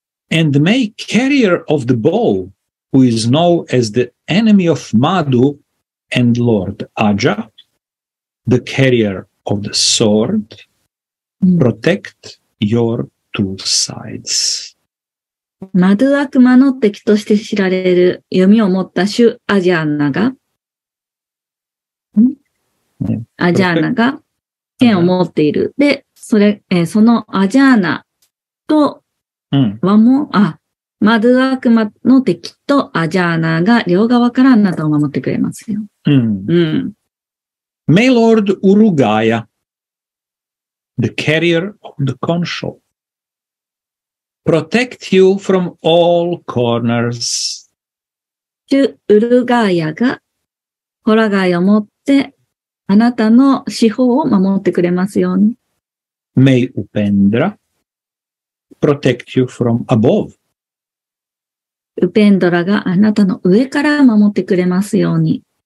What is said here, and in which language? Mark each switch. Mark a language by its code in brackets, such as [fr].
[en] And may carrier of the bow, who is known as the enemy of Madhu and Lord Aja, the carrier of the sword, protect your two sides. [ja] Madhu 悪魔の敵として知られる弓を持った主アジャーナが、アジャーナが、剣を持っている。で、それ、そのアジャーナと、マドゥアクマの敵とアジャーナが両側からあなたを守ってくれますよ。 [en] May Lord Urugaya, the carrier of the consho, protect you from all corners. [ja] ウルガーヤが、ホラガイを持って、あなたの四方を守ってくれますように。 [en] May Upendra protect you from above. [ja] Upendra があなたの上から守ってくれますように。